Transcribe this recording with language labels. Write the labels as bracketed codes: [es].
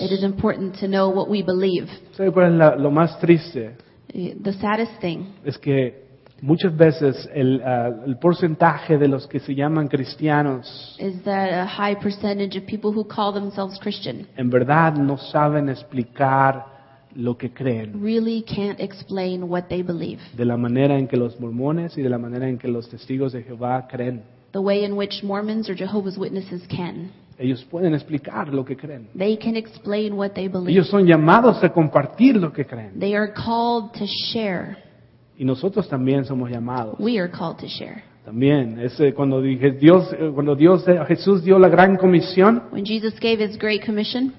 [en] It is important to know what we believe. [es] ¿Sabe cuál es lo más triste? [en] The saddest thing. [es] Es que muchas veces el porcentaje de los que se llaman cristianos [en] is that a high percentage of people who call themselves Christian [es] en verdad no saben explicar lo que creen [en] really can't explain what they believe [es] de la manera en que los mormones y de la manera en que los testigos de Jehová creen [en] the way in which Mormons or Jehovah's Witnesses can. [es] Ellos pueden explicar lo que creen. [en] They can explain what they believe. [es] Ellos son llamados a compartir lo que creen. [en] They are called to share. [es] Y nosotros también somos llamados. [en] We are called to share. [es] También, cuando Jesús dio la gran comisión. [en] When Jesus gave his great commission.